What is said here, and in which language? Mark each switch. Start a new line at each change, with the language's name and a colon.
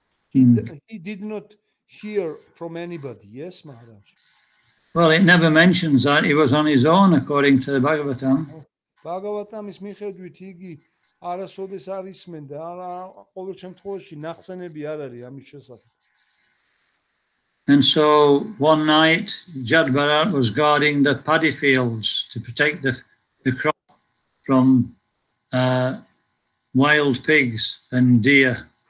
English: He did not hear from anybody, yes, Maharaj? Well, it never mentions that. He was on his own, according to the Bhagavatam. Bhagavatam is
Georgian: მიხედვით იგი არასოდეს არ ისმენდა, არა ყოველ შემთხვევაში ნახსენები არ არის ამის შესახებ.
English: And so one night, Jadbharat was guarding the paddy fields to protect the crop from wild pigs and deer.